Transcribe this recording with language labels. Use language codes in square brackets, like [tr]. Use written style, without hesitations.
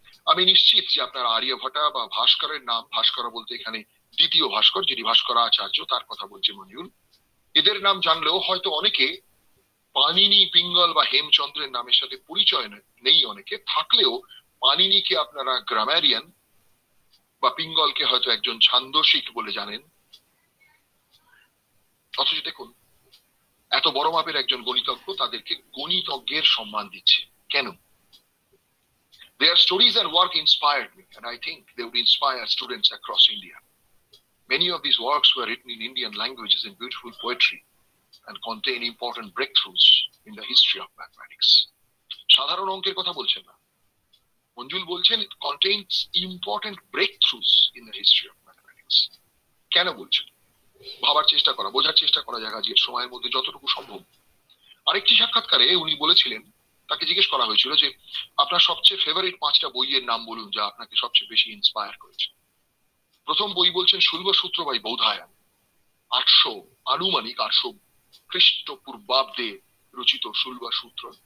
[bn] আমি নিশ্চিত যে আপনার আর্যভট্ট বা ভাস্করের নাম, ভাস্কর বলতে এখানে দ্বিতীয় ভাস্কর যিনি ভাস্কর আচার্য তার কথা বলছে মঞ্জুল, এদের নাম জানলেও হয়তো অনেকে পাণিনি, পিঙ্গল বা হেমচন্দ্রের নামের সাথে পরিচয় নেই অনেকে, থাকলেও পাণিনিকে আপনারা গ্রামারিয়ান বা পিঙ্গলকে হয়তো একজন ছান্দসিক বলে জানেন। অথচ দেখুন, এত বড় মাপের একজন গণিতজ্ঞ তাদেরকে গণিতজ্ঞের সম্মান দিচ্ছে কেন? [en] Their stories and work inspired me, and I think they would inspire students across India. Many of these works were written in Indian languages in beautiful poetry and contain important breakthroughs in the history of mathematics. [bn] সাধারণ অঙ্কের কথা বলছেন না, মঞ্জুল বলছেন [en] it contains important breakthroughs in the history of mathematics. [bn] কেন বলছেন? ভাবার চেষ্টা করা, বোঝার চেষ্টা করা যাক আজকের সময়ের মধ্যে যতটুকু সম্ভব। আরেকটি সাক্ষাৎকারে উনি বলেছিলেন, তাকে জিজ্ঞেস করা হয়েছিল যে আপনার সবচেয়ে ফেভারিট পাঁচটা বইয়ের নাম বলুন যা আপনাকে সবচেয়ে বেশি ইন্সপায়ার করেছে। প্রথম বই বলছেন শুল্ব সূত্র বাই বৌধায়ন, 800 আনুমানিক 800 খ্রিস্টপূর্বাব্দে রচিত শুল্ব সূত্র।